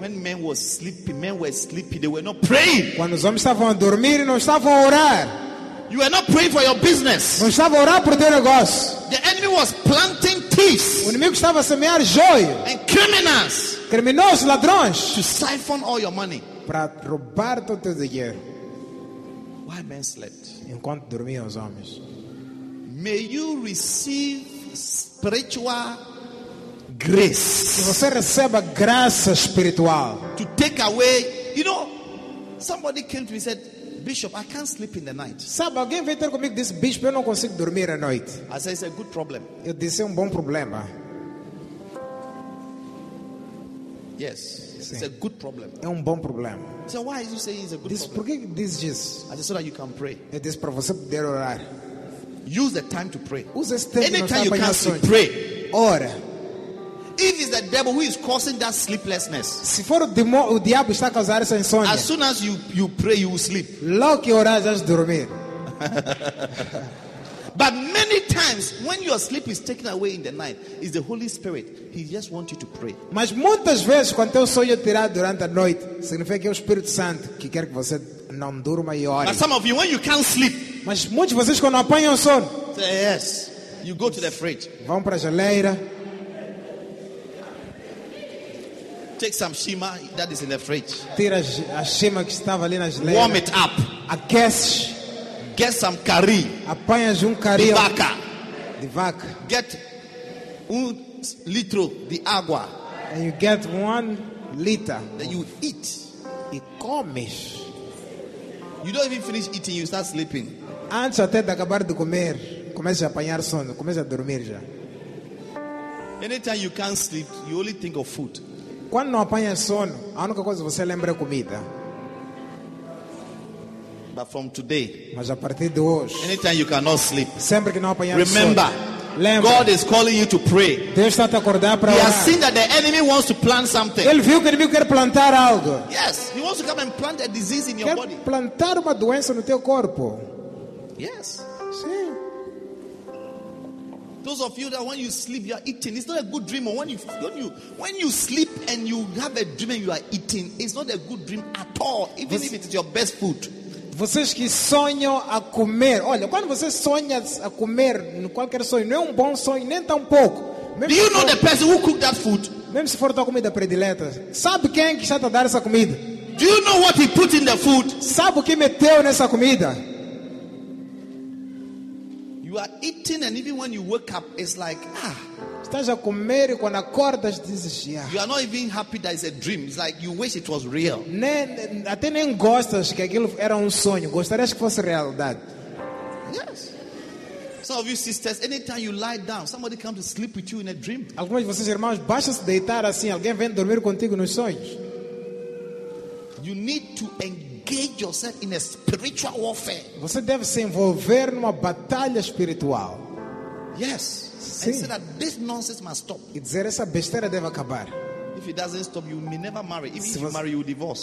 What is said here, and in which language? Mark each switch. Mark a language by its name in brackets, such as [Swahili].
[English] When men were sleeping, they were not praying. [Portuguese] Quando os homens estavam a dormir, não estavam a orar. [English] You were not praying for your business. [Portuguese] Não estavam a orar por teu negócio. [English] The enemy was planting thieves. [Portuguese] O inimigo estava a semear joio. [English] And criminals. [Portuguese] Criminosos, ladrões. [English] To siphon all your money. [Portuguese] Para roubar todo o teu dinheiro. [English] While men slept. [Portuguese] Enquanto dormiam os homens. [English] May you receive spiritual grace. [Portuguese] Que você receba graça espiritual. [English] To take away, you know, somebody came to me and said, "Bishop, I can't sleep in the night." [Portuguese] Sabe, alguém veio ter comigo, disse, "Bishop, eu não consigo dormir à noite." [English] I said, "It's a good problem." [Portuguese] Eu disse, bom problema. [English] Yes. [Portuguese] Sim. [English] It's a good problem. [Portuguese] É bom problema. [English] So why is you saying it's a good problem? [Portuguese] Porque diz isso? [English] I said, so that you can pray. [Portuguese] Eu disse, para você poder orar. [English] Use the time to pray. Use this time. Anytime you can't sleep, pray. [Portuguese] Ora. [English] If it's the devil who is causing that sleeplessness. [Portuguese] Se for o diabo está causando essa insônia. [English] As soon as you pray, you will sleep. [Portuguese] Logo que orar, já dormir. [English] But many times when your sleep is taken away in the night, it's the Holy Spirit. He just wants you to pray. [Portuguese] Mas muitas vezes quando teu sonho é tirado durante a noite, significa que é o Espírito Santo que quer que você não durma e ore. [English] But some of you, when you can't sleep. [Portuguese] Mas muitos de vocês quando apanham o sono. [English] Say yes. You go to the fridge. [Portuguese] Vão para a geleira. [English] Take some shima that is in the fridge. [Portuguese] Tira a shima que estava ali na geleira. [English] Warm it up. [Portuguese] Aquece. [English] Get some curry. [Portuguese] Apanhas curry. De vaca. De vaca. [English] Get 1 liter [Portuguese] de água. [English] And you get 1 liter. Then you eat. [Portuguese] E comes. [English] You don't even finish eating, you start sleeping. [Portuguese] Antes até de acabar de comer, comece a apanhar sono, comece a dormir já. [English] Anytime you can't sleep, you only think of food. [Portuguese] Quando não apanha sono, a única coisa que você lembra é comida. [English] But from today, [Portuguese] mas a partir de hoje, [English] anytime you cannot sleep, [Portuguese] sempre que não apanhar [English] remember, [Portuguese] sono, Lembra? [English] God is calling you to pray. [Portuguese] Deus está te acordar para [English] he [Portuguese] orar. [English] Has seen that the enemy wants to plant something. [Portuguese] Ele viu que o inimigo quer plantar algo. [English] Yes, he wants to come and plant a disease in [Portuguese] quer [English] your body. [Portuguese] Plantar uma doença no teu corpo. [English] Yes. [Portuguese] Sim. [English] Those of you that when you sleep you are eating, it's not a good dream. When you sleep and you have a dream and you are eating, it's not a good dream at all. Even if it is your best food. [Portuguese] Vocês que sonham a comer, olha, quando você sonha a comer qualquer sonho, não é bom sonho nem tão pouco. [English] Do you know the person who cooked that food? [Portuguese] Mesmo se for tua comida predileta, sabe quem que está a dar essa comida? [English] Do you know what he put in the food? [Portuguese] Sabe o que meteu nessa comida? [English] You are eating and even when you wake up, it's like, ah. [Portuguese] Estás a comer e quando acordas dizes, yeah. [English] You are not even happy that it's a dream. It's like you wish it was real. [Portuguese] Até nem gostas que aquilo era sonho. Gostarias que fosse realidade. [English] Yes. Some of you sisters, anytime you lie down, somebody comes to sleep with you in a dream. [Portuguese] Algumas de vocês irmãos, basta-se deitar assim, alguém vem dormir contigo nos sonhos. [English] You need to engage yourself in a spiritual warfare. [Portuguese] Você deve se envolver numa batalha espiritual. [English] Yes. [Portuguese] Sim. [English] And say that this nonsense must stop. [Portuguese] E dizer essa besteira deve acabar. [English] If it doesn't stop, you may never marry. Even if you marry, you divorce.